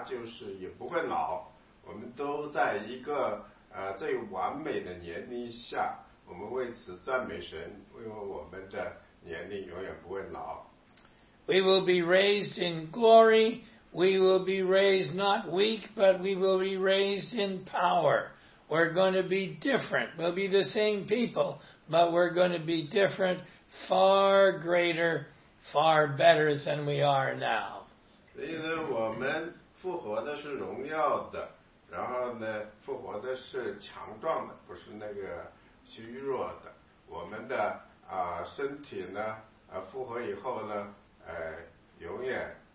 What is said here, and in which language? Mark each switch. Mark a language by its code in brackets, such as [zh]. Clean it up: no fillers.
[zh] 所以呢，我们上个星期啊也讲到了一些细节。我认为呢，到我们到天堂的时候，我们得到的身体是一个不会朽坏的身体，它就是也不会老。 [en] We will be raised in glory. We will be raised not weak, but we will be raised in power. We're going to be different. We'll be the same people, but we're going to be different, far greater, far better than we are now. [zh] 因为我们复活的是荣耀的。然后呢，复活的是强壮的，不是那个虚弱的。我们的身体呢，复活以后呢，永远